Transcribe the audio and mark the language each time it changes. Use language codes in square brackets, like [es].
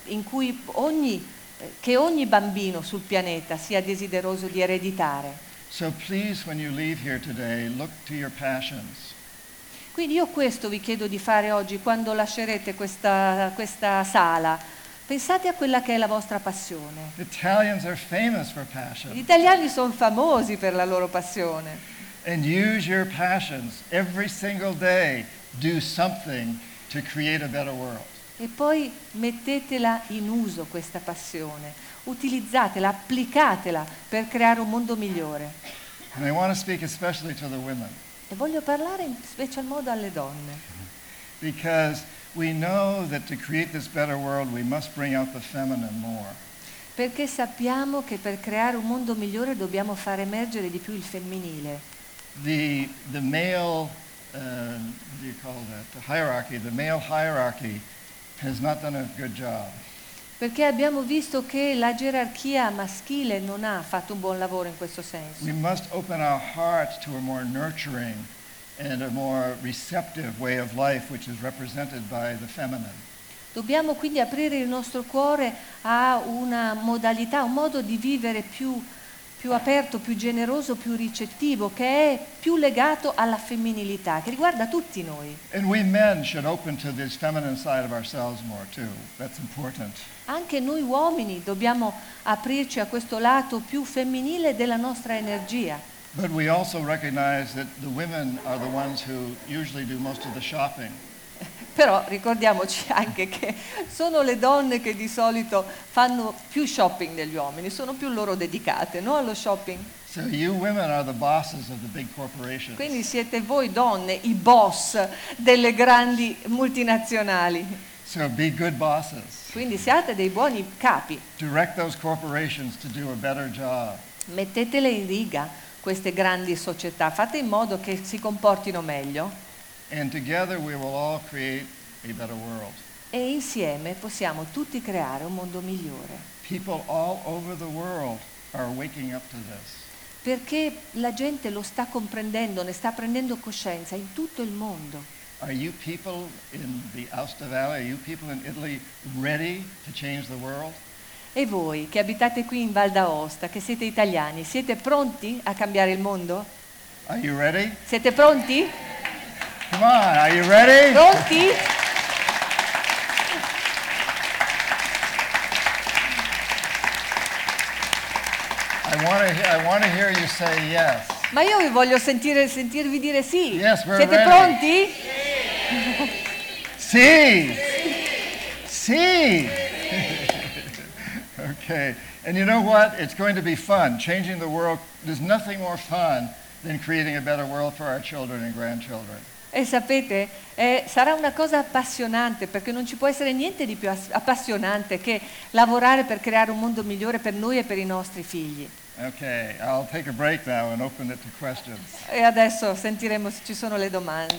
[it] Un mondo in cui ogni bambino sul pianeta sia desideroso di ereditare. [en] So please, when you leave here today, look to your passions. [it] Quindi io questo vi chiedo di fare oggi quando lascerete questa sala. Pensate a quella che è la vostra passione. [en] Italians are famous for passion. [it] Gli italiani sono famosi per la loro passione. [en] And use your passions every single day. Do something to create a better world. [it] E poi mettetela in uso questa passione. Utilizzatela, applicatela per creare un mondo migliore. [en] And I want to speak especially to the women. [it] E voglio parlare in special modo alle donne. [en] Because we know that to create this better world we must bring out the feminine more. [it] Perché sappiamo che per creare un mondo migliore dobbiamo far emergere di più il femminile. [en] The male what do you call that? The hierarchy, the male hierarchy has not done a good job. [it] Perché abbiamo visto che la gerarchia maschile non ha fatto un buon lavoro in questo senso. [en] We must open our hearts to a more nurturing and a more receptive way of life, which is represented by the feminine. [it] Dobbiamo quindi aprire il nostro cuore a una modalità, un modo di vivere più aperto, più generoso, più ricettivo, che è più legato alla femminilità, che riguarda tutti noi. [en] And we men should open to this feminine side of ourselves more too. That's important. [it] Anche noi uomini dobbiamo aprirci a questo lato più femminile della nostra energia. [en] But we also recognize that the women are the ones who usually do most of the shopping. [it] Però ricordiamoci anche che sono le donne che di solito fanno più shopping degli uomini, sono più loro dedicate, no, allo shopping. [en] So you women are the bosses of the big corporations. [it] Quindi siete voi donne i boss delle grandi multinazionali. [en] So be good bosses. [it] Quindi siate dei buoni capi. [en] Direct those corporations to do a better job. [it] Mettetele in riga queste grandi società, fate in modo che si comportino meglio. [en] And together we will all create a better world. [it] E insieme possiamo tutti creare un mondo migliore. [en] People all over the world are waking up to this. [it] Perché la gente lo sta comprendendo, ne sta prendendo coscienza in tutto il mondo. [en] Are you people in the Aosta Valley, are you people in Italy ready to change the world? [it] E voi che abitate qui in Val d'Aosta, che siete italiani, siete pronti a cambiare il mondo? [en] Are you ready? [it] Siete pronti? [en] Come on, are you ready? [it] Pronti? [en] I want to hear you say yes. [it] Ma io vi voglio sentirvi dire sì. [en] Yes, we're [it] siete [en] ready. [it] Pronti? Sì. Sì. Sì. Sì. [en] Okay, and you know what? It's going to be fun. Changing the world, there's nothing more fun than creating a better world for our children and grandchildren. [it] E sapete, sarà una cosa appassionante, perché non ci può essere niente di più appassionante che lavorare per creare un mondo migliore per noi e per i nostri figli. [en] Okay, I'll take a break now and open it to questions. [it] E adesso sentiremo se ci sono le domande.